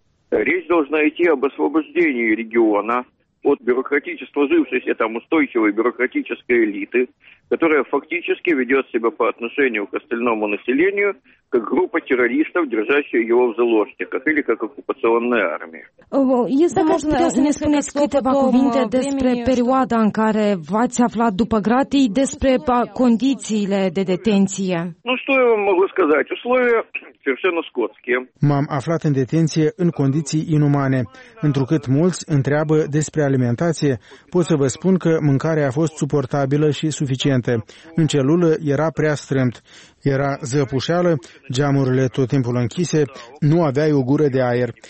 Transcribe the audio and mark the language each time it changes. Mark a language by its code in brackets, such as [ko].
[ru] Речь должна идти об освобождении региона от бюрократического, сложившейся там устойчивой бюрократической элиты, которая фактически ведет себя по отношению к остальному населению как группа террористов, держащая его в заложниках, или как оккупационная армия. Если можно, не спомнить [ro] câteva cuvinte despre perioada în care v-ați aflat după grad и despre condițiile de detenție. [ru] Ну что я вам могу сказать? Условия совершенно скотские. [ro] M-am aflat în detenție în condiții inumane. Întrucât mulți întreabă despre alimentație, pot să vă spun că mâncarea a fost suportabilă și suficientă. În celulă era prea strâmt. Era zăpușeală, geamurile tot timpul închise, nu aveai o gură de aer.